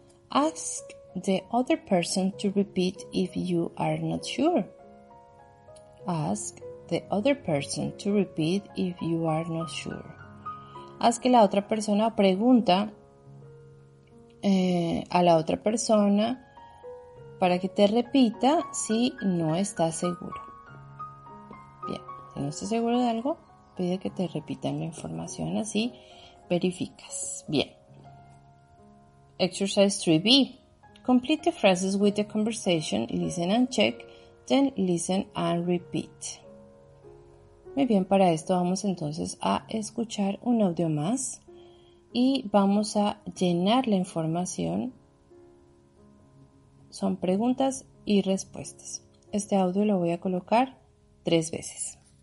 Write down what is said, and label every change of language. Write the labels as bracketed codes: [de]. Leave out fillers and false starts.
[en] Ask the other person to repeat if you are not sure. Ask the other person to repeat if you are not sure. [es] Haz que la otra persona pregunta a la otra persona para que te repita si no está seguro. Bien, si no estás seguro de algo, pide que te repitan la información, así verificas. Bien. [en] Exercise 3B. Complete the phrases with the conversation, listen and check, then listen and repeat. [es] Muy bien, para esto vamos entonces a escuchar un audio más. Y vamos a llenar la información. Son preguntas y respuestas. Este audio lo voy a colocar tres veces.